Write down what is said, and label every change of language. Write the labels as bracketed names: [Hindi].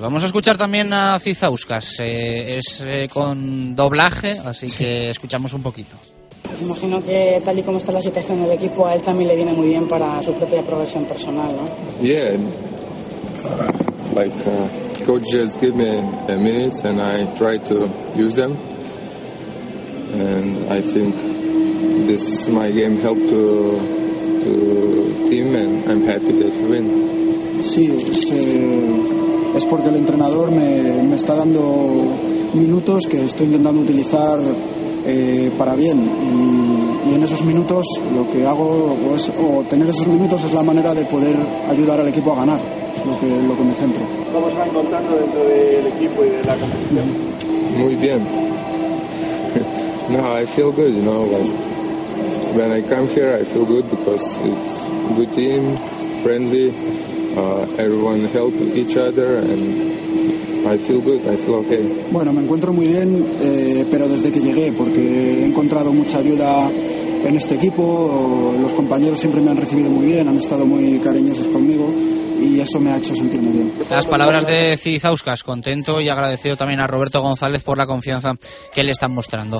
[Spanish] Vamos a escuchar también a Zizauskas, con doblaje, así sí. Que escuchamos un poquito. Pues imagino que tal y como está la situación del equipo, a él también le viene muy bien para su propia progresión personal, ¿no? [English] Coach just give me a minute and I try to use them. And I think this my game helped to team and I'm happy that we win. [Spanish] Sí, es porque el entrenador me está dando minutos que estoy intentando utilizar para bien y en esos minutos lo que hago pues, o tener esos minutos es la manera de poder ayudar al equipo a ganar, es lo que me centro. ¿Cómo se va encontrando dentro del equipo y de la competición? Muy bien. [English] No, I feel good, you know, like when I come here I feel good because it's good team, friendly, everyone help each other and I feel good, I feel okay. [Spanish] Bueno, me encuentro muy bien, pero desde que llegué, porque he encontrado mucha ayuda en este equipo, los compañeros siempre me han recibido muy bien, han estado muy cariñosos conmigo. Y eso me ha hecho sentir muy bien. Las palabras de Zizauskas, contento y agradecido también a Roberto González por la confianza que le están mostrando.